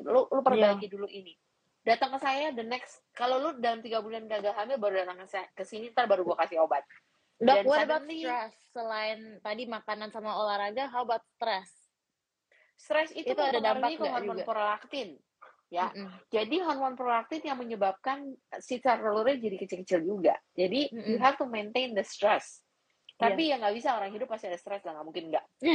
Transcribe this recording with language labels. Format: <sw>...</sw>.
<id>Lu perbaiki dulu ini. Datang ke saya,</id> <en>the next,</en> <id>kalau lu dalam 3 bulan gagal hamil, baru datang ke sini, ntar baru gua kasih obat.</id> <en>Dok, what about stress?</en> <id>Selain tadi makanan sama olahraga,</id> <en>how about stress?</en> <id>Stres itu ada dampaknya ke hormon prolaktin, ya. Jadi hormon prolaktin yang menyebabkan si telurnya jadi kecil-kecil juga. Jadi</id> <en>you have to maintain the stress.</en> <id>Tapi ya nggak bisa, orang hidup pasti ada stres lah, nggak mungkin nggak.</id>